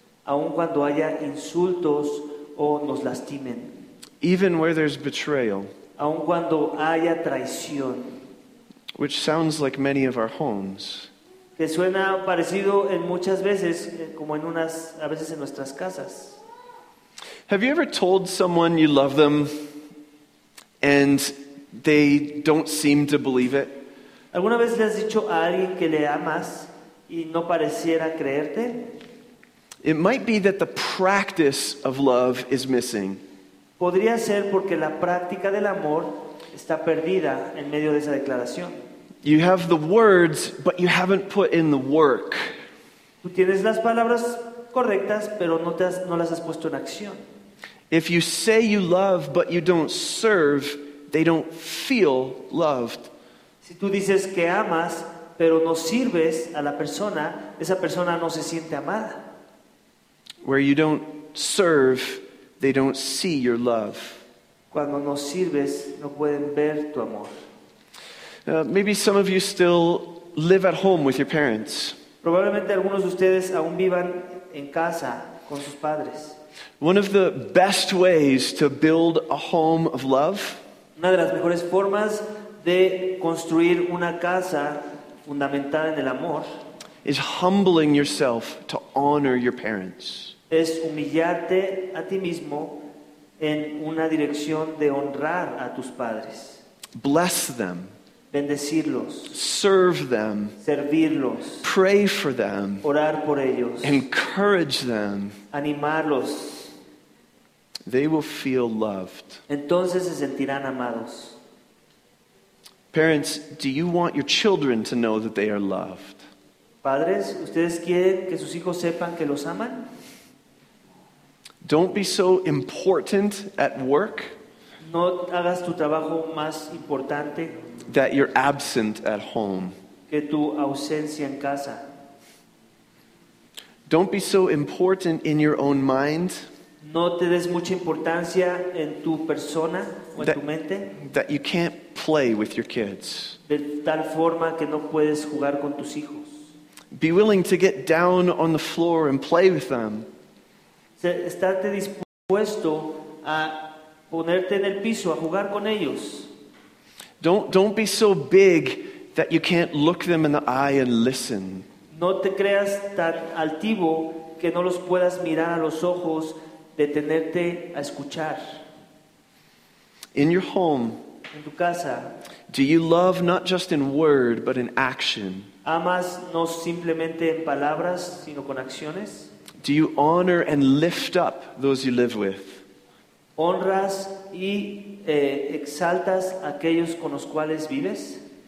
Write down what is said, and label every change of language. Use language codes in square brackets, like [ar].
[es] Aún cuando haya insultos o nos lastimen. [en] Even where there's betrayal, [es] aun cuando haya traición, [en] which sounds like many of our homes, [es] que suena parecido en muchas veces, como en unas, a veces en nuestras casas. [en] Have you ever told someone you love them and they don't seem to believe it? [es] ¿Alguna vez le has dicho a alguien que le amas y no pareciera creerte? [en] It might be that the practice of love is missing. [es] Podría ser porque la práctica del amor está perdida en medio de esa declaración. [en] You have the words, but you haven't put in the work. [es] Tú tienes las palabras correctas, pero no las has puesto en acción. [en] If you say you love, but you don't serve, they don't feel loved. [es] Si tú dices que amas, pero no sirves a la persona, esa persona no se siente amada. [en] Where you don't serve, they don't see your love. [es] Cuando no sirves, no pueden ver tu amor. [en] Maybe some of you still live at home with your parents. [es] Probablemente algunos de ustedes aún vivan en casa con sus padres. [en] One of the best ways to build a home of love. [es] Una de las mejores formas de construir una casa fundamentada en el amor. [en] Is humbling yourself to honor your parents. [es] Es humillarte a ti mismo en una dirección de honrar a tus padres. [en] Bless them. [es] Bendecirlos. [en] Serve them. [es] Servirlos. [en] Pray for them. [es] Orar por ellos. [en] Encourage them. [es] Animarlos. [en] they will feel loved. [es] Entonces se sentirán amados. [en] Parents, do you want your children to know that they are loved? [es] Padres, ¿ustedes quieren que sus hijos sepan que los aman? [en] Don't be so important at work. [es] No hagas tu trabajo más importante. [en] That you're absent at home. [es] Que tu ausencia en casa. [en] Don't be so important in your own mind. [es] No te des mucha importancia en tu persona o en tu mente. [en] That you can't play with your kids. [es] De tal forma que no puedes jugar con tus hijos. [en] Be willing to get down on the floor and play with them. [es] Estarte dispuesto a ponerte en el piso a jugar con ellos. [en] Don't be so big that you can't look them in the eye and listen. [es] No te creas tan altivo que no los puedas mirar a los ojos, detenerte a escuchar. [en] In your home, [es] en tu casa, [en] do you love not just in word but in action? [es] ¿Amas no simplemente en palabras, sino con acciones? [en] Do you honor and lift up those you live with? [es] ¿Honras y exaltas aquellos con los cuales vives?